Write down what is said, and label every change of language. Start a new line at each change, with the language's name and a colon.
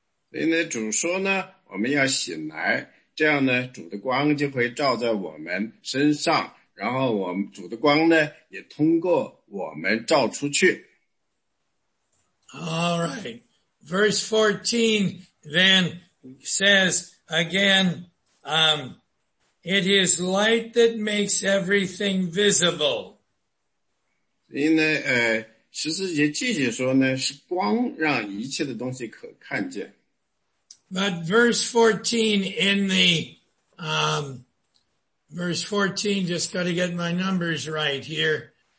Chinese: 所以呢，主说呢，我们要醒来，这样呢，主的光就会照在我们身上，然后我们主的光呢，也通过我们照出去。
English: All right. Verse 14 then says again, it is light that makes everything visible.
Chinese: 所以呢，十四节继续说呢，是光让一切的东西可看见。
English: But verse 14 in the, verse 14, just got to get my numbers right here.